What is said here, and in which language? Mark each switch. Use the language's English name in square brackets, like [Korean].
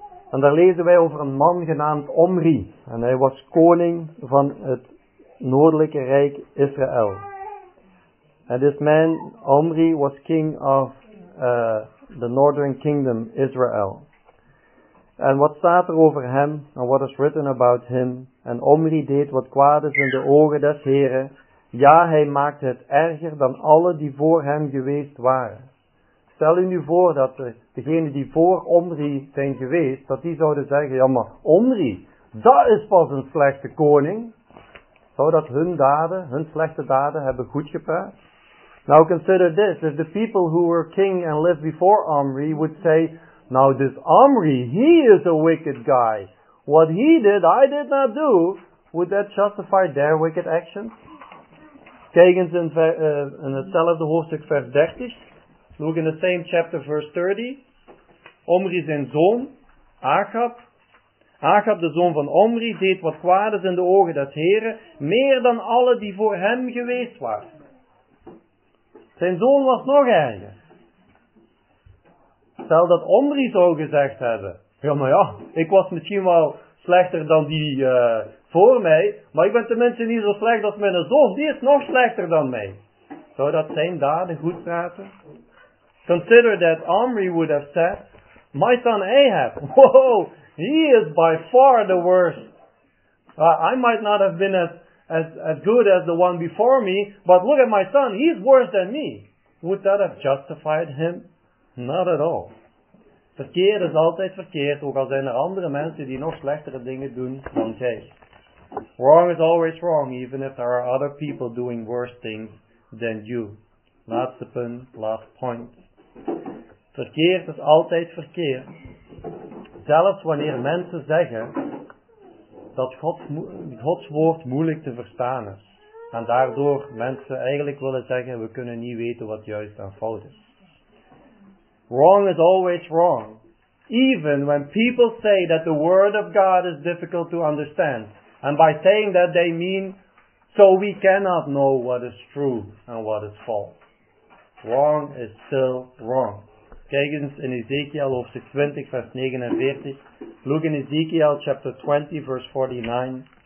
[Dutch] En daar lezen wij over een man genaamd Omri. En hij was koning van het noordelijke rijk Israël. [English] En this man, Omri, was king of the northern kingdom Israel. [Dutch] En wat staat er over hem? En [English] what is written about him? [Dutch] En Omri deed wat kwaad is in de ogen des Heren. Ja, hij maakte het erger dan alle die voor hem geweest waren. Stel u nu voor dat degenen die voor Omri zijn geweest, dat die zouden zeggen, ja maar Omri, dat is pas een slechte koning. Zou dat hun daden, hun slechte daden, hebben goed gepraat? [English] Now consider this, if the people who were king and lived before Omri would say, now this Omri, he is a wicked guy. What he did, I did not do. Would that justify their wicked actions? [Dutch] Kijk eens in hetzelfde hoofdstuk vers 30. [English] Look in the same chapter verse 30. [Dutch] Omri zijn zoon, Achab. Achab, de zoon van Omri, deed wat kwaad is in de ogen des Heren, meer dan alle die voor hem geweest waren. Zijn zoon was nog erger. Stel dat Omri zo gezegd hebben. Ja, maar ja, ik was misschien wel slechter dan die voor mij, maar ik ben tenminste niet zo slecht als mijn zoon, die is nog slechter dan mij. Zou dat zijn daden goed praten? [English] Consider that Omri would have said, my son Ahab, whoa, he is by far the worst. I might not have been as good as the one before me, but look at my son, he's worse than me. Would that have justified him? Not at all. [Dutch] Verkeerd is altijd verkeerd, ook al zijn er andere mensen die nog slechtere dingen doen dan jij. [English] Wrong is always wrong, even if there are other people doing worse things than you. [Dutch] Laatste punt, [English] last point. [Dutch] Verkeerd is altijd verkeerd. Zelfs wanneer mensen zeggen dat Gods woord moeilijk te verstaan is. En daardoor mensen eigenlijk willen zeggen, we kunnen niet weten wat juist en fout is. [English] Wrong is always wrong. Even when people say that the word of God is difficult to understand. And by saying that they mean, so we cannot know what is true and what is false. Wrong is still wrong. [Dutch] Kijk eens in Ezekiel hoofdstuk 20 vers 49. [English] Look in Ezekiel chapter 20 verse 49.